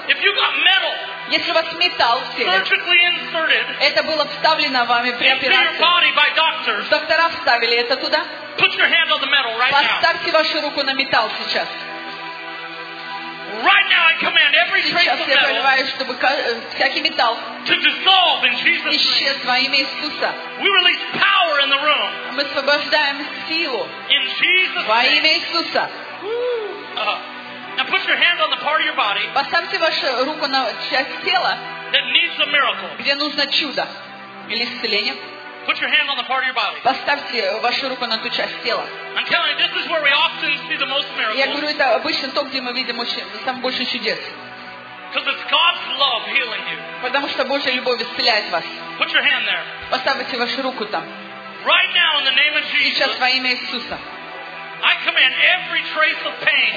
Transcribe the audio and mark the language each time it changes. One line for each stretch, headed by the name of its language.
Russian: Если у вас металл в теле, это было вставлено вами при операции, доктора вставили это туда, поставьте вашу руку на металл сейчас.
English: Right now I command every trace of metal,
Russian: чтобы всякий металл,
English: to dissolve in Jesus' name.
Russian: Исчез во имя Иисуса.
English: We release power in the room.
Russian: Мы освобождаем силу во имя Иисуса.
English: Now put your hand on the part of your body.
Russian: Поставьте вашу руку на часть тела,
English: that needs a miracle.
Russian: Где нужно чудо или исцеление.
English: Put your hand on the part of your body.
Russian: Поставьте вашу руку на ту часть тела.
English: I'm telling you, this is where we often see the most miracles.
Russian: Я говорю, это обычно то, где мы видим самое больше чудес.
English: Because it's God's love healing you.
Russian: Потому что Божья любовь исцеляет вас.
English: Put your hand there.
Russian: Поставьте вашу руку там.
English: Right now, in the name of Jesus.
Russian: Сейчас во имя Иисуса.
English: I command every trace of pain.